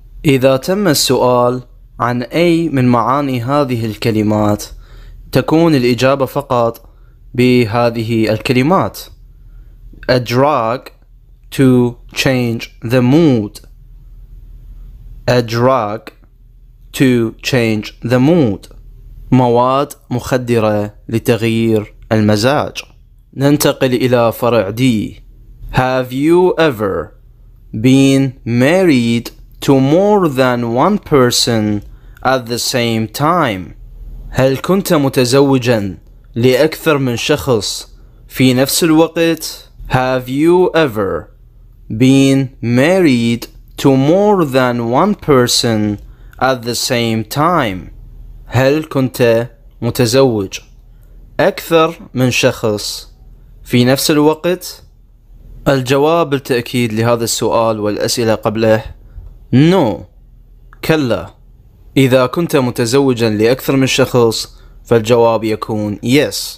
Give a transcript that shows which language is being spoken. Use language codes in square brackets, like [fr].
[ar] إذا تم السؤال عن أي من معاني هذه الكلمات، تكون الإجابة فقط بهذه الكلمات. [en] A drug to change the mood. A drug to change the mood. [ar] مواد مخدرة لتغيير المزاج. ننتقل إلى فرع D. [en] Have you ever been married to more than one person at the same time? [ar] هل كنت متزوجا لأكثر من شخص في نفس الوقت؟ [en] Have you ever been married to more than one person at the same time? [ar] هل كنت متزوج أكثر من شخص في نفس الوقت؟ الجواب بالتأكيد لهذا السؤال والأسئلة قبله No. كلا. إذا كنت متزوجا لأكثر من شخص فالجواب يكون Yes.